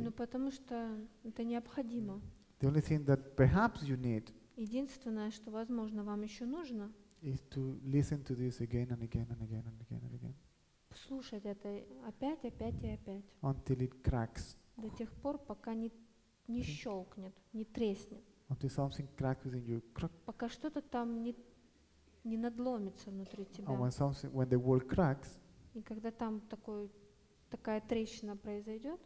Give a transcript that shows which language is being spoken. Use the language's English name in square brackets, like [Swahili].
[Russian] Ну потому что это необходимо. [English] The only thing that perhaps you need, [Russian] единственное, что возможно вам еще нужно, [English] is to listen to this again and again and again and again and again. [Russian] Слушать это опять, опять и опять. [English] Until it cracks. [Russian] До тех пор, пока не щелкнет, не треснет. [English] Until something cracks within you. [Russian] Пока что-то там не надломится внутри тебя. [English] And when something, when the wall cracks, [Russian] и когда там такая трещина произойдет,